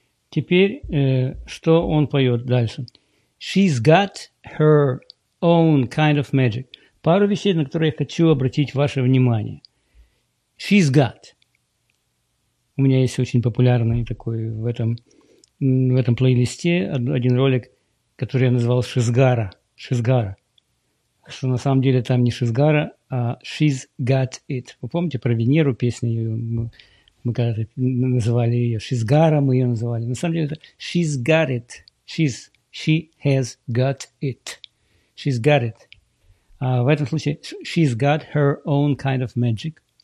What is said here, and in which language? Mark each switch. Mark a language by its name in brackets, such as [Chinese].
[Russian] Теперь, что он поет дальше? [English] She's got her own kind of magic. [Russian] Пару вещей, на которые я хочу обратить ваше внимание. [English] She's got. [Russian] У меня есть очень популярный такой в этом плейлисте один ролик, который я назвал «Шизгара». «Шизгара». Что на самом деле там не «Шизгара», а [English] «She's got it». [Russian] Вы помните про Венеру песню? Мы когда-то называли ее «Шизгара», мы ее называли. На самом деле это [English] «She's got it». She has got it. «She's got it». [Russian] А в этом случае [English] «She's got her own kind of magic».